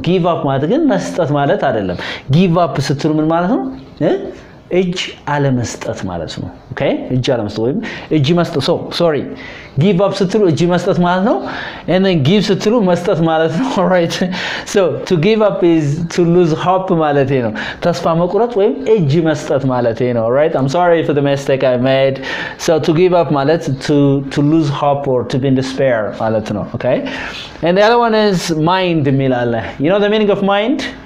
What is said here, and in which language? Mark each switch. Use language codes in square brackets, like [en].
[am] give up ማለት ግን መስጠት ማለት አይደለም. give up ስትሉ ምን ማለት ነው? እጅ አለመስጠት ማለት ነው. okay? እጅ አለመስጠት ወይም እጅ መስጠት. sorry. give up ስትሉ እጅ መስጠት ማለት ነው. and then give ስትሉ መስጠት ማለት ነው. [en] alright. so to give up is to lose hope [am] ማለት ነው. ተስፋ መቁረጥ ወይም እጅ መስጠት ማለት ነው. [en] alright. i'm sorry for the mistake i made. so to give up ማለት to lose hope or to be in despair [am] ማለት ነው. [en] okay? and the other one is mind ሚላለ. you know the meaning of mind?